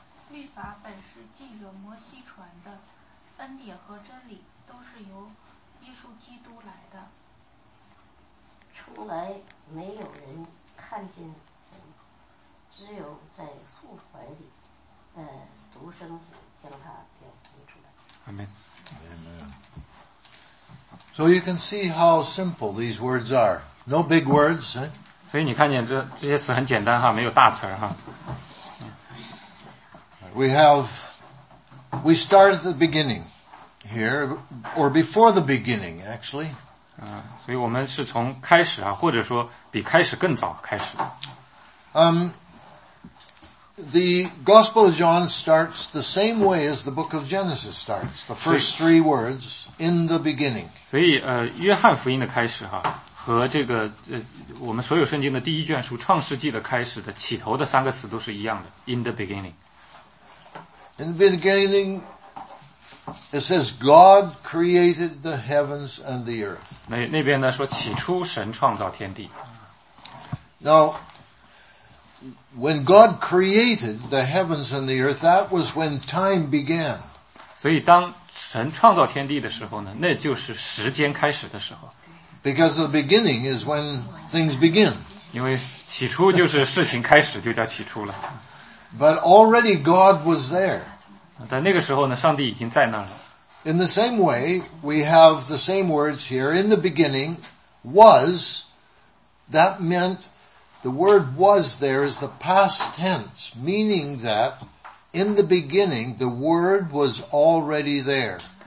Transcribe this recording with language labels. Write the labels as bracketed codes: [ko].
[zh] 律法本是借着摩西传的，恩典和真理都是由耶稣基督来的。从来没有人看见神，只有在父怀里，独生子将他表明出来。 [en] Amen. Amen. So you can see how simple these words are. No big words, eh? [zh] 所以你看见这些词很简单哈，没有大词哈。 [en] We start at the beginning here, or before the beginning, actually. [zh] 所以我们是从开始啊，或者说比开始更早开始。 [en] The Gospel of John starts the same way as the book of Genesis starts. The first three words, in the beginning. [zh] 所以约翰福音的开始哈，和这个我们所有圣经的第一卷书创世纪的开始的起头的三个词都是一样的， [en] in the beginning. In the beginning, it says God created the heavens and the earth. [zh] 那边呢说起初神创造天地。 [en] Now,When God created the heavens and the earth, that was when time began. [zh] 所以当神创造天地的时候呢，那就是时间开始的时候。 [en] Because the beginning is when things begin. [zh] 因为起初就是事情开始就叫起初了。 [en] But already God was there. [zh] 在那个时候呢上帝已经在那了。 [en] In the same way, we have the same words here. In the beginning was, that meant the word was there is the past tense, meaning that in the beginning, the word was already there.